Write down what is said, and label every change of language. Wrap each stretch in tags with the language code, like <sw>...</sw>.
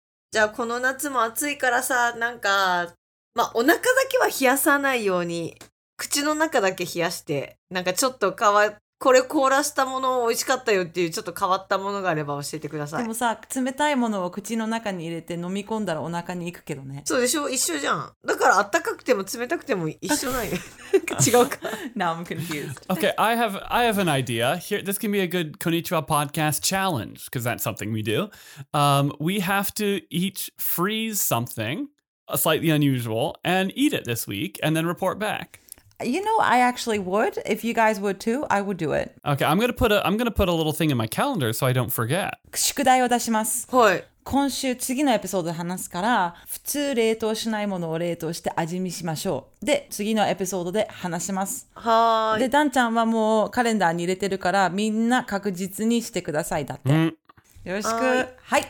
<ja>じゃあこの夏も暑いからさ、なんか、まあお腹だけは冷やさないように、口の中だけ冷やして、なんかちょっと変わって、これ凍らしたもの美味しかったよっていうちょっと変わったものがあれば教えてください。でもさ冷たいものを口の中に入れて飲み込んだらお腹に行くけどね。そうでしょ、一緒じゃん。だからあったかくても冷たくても一緒ない違うか。</ja> <en>Now I'm confused. Okay, I have an idea. Here, this can be a good Konnichiwa podcast challenge because that's something we do. We have to each freeze something slightly unusual and eat it this week and then report back. You know, I actually would. If you guys would too, I would do it. Okay, I'm gonna put a little thing in my calendar so I don't forget.</en> <ja>宿題を出します。はい。今週次のエピソードで話すから、普通冷凍しないものを冷凍して味見しましょう。で、次のエピソードで話します。はい。で、ダンちゃんはもうカレンダーに入れてるから、みんな確実にしてください。だって。うん、よろしく。はい。</ja>